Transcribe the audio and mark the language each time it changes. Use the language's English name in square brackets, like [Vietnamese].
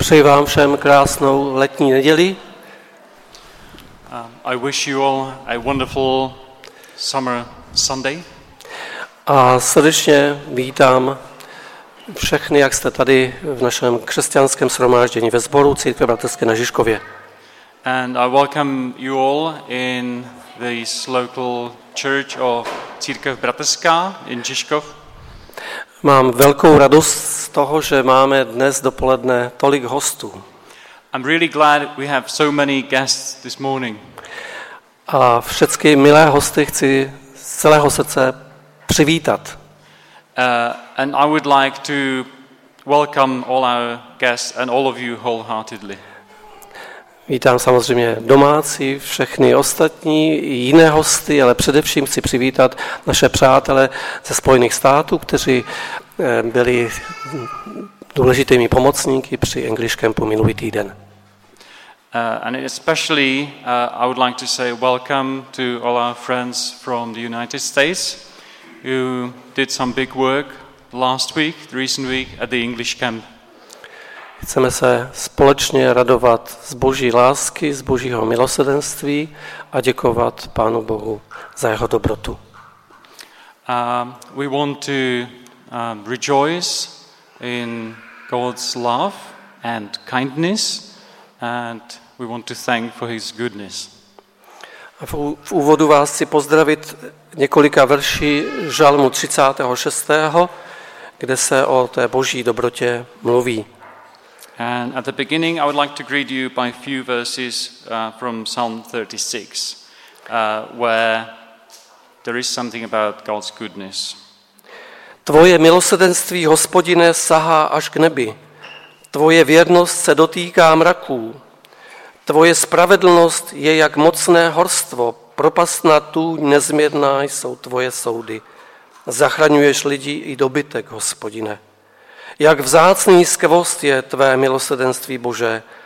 [Czech] Přeji vám všem krásnou letní neděli. [English] I wish you all a wonderful summer Sunday. [Czech] A srdečně vítám všechny, jak jste tady v našem křesťanském shromáždění ve sboru Církve bratrské na Žižkově. [English] And I welcome you all in this local church of Církev bratrská in Žižkov. [Czech] Mám velkou radost z toho, že máme dnes dopoledne tolik hostů. [English] I'm really glad we have so many guests this morning. [Czech] A všechny milé hosty chci z celého srdce přivítat. [English] And I would like to welcome all our guests and all of you wholeheartedly. [Czech] Vítám samozřejmě domácí, všechny ostatní, jiné hosty, ale především chci přivítat naše přátele ze Spojených států, kteří byli důležitými pomocníky při English Campu minulý týden. [English] And especially I would like to say welcome to all our friends from the United States who did some big work last week, the recent week at the English Camp. [Czech] Chceme se společně radovat z Boží lásky, z Božího milosrdenství a děkovat Pánu Bohu za jeho dobrotu. [English] We want to rejoice in God's love and kindness and we want to thank for his goodness. [Czech] V úvodu vás chci pozdravit několika verší žalmu 36., kde se o té Boží dobrotě mluví. [English] And at the beginning I would like to greet you by a few verses from Psalm 36 where there is something about God's goodness. [Czech] Tvoje milosrdenství, Hospodine, sahá až k nebi. Tvoje věrnost se dotýká mraků. Tvoje spravedlnost je jak mocné horstvo, propastná tůň, nezměrná jsou tvoje soudy. Zachraňuješ lidi i dobytek, Hospodine. Jak vzácný skvost je tvé milosrdenství, Bože.